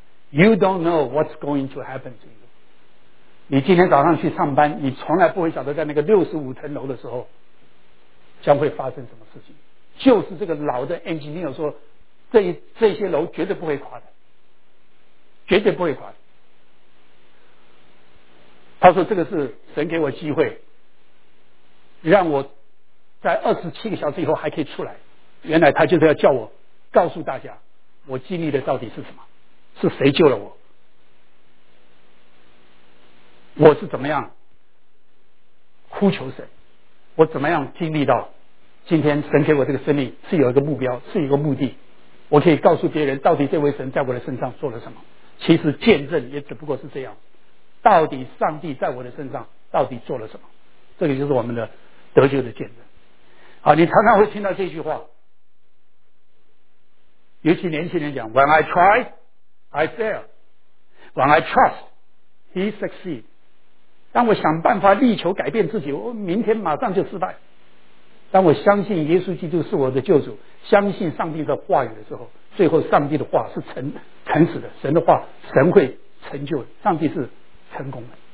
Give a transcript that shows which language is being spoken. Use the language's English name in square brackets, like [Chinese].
[English] You don't know what's going to happen to you。 [Chinese] 你今天早上去上班，你从来不会晓得在那个65层楼的时候将会发生什么事情。就是这个老的 engineer 说，这些楼绝对不会垮的。绝对不会垮。他说这个是神给我机会，让我在27个小时以后还可以出来。原来他就是要叫我告诉大家，我经历的到底是什么，是谁救了我，我是怎么样呼求神，我怎么样经历到今天神给我这个生命是有一个目标，是有一个目的，我可以告诉别人到底这位神在我的身上做了什么。其实见证也只不过是这样，到底上帝在我的身上到底做了什么，这个就是我们的得救的见证。好，你常常会听到这句话，尤其年轻人讲 [English] When I try, I fail. When I trust, he succeeds. [Chinese] 当我想办法力求改变自己，我明天马上就失败。当我相信耶稣基督是我的救主，相信上帝的话语的时候，最后上帝的话是诚实的，神的话神会成就，上帝是成功的。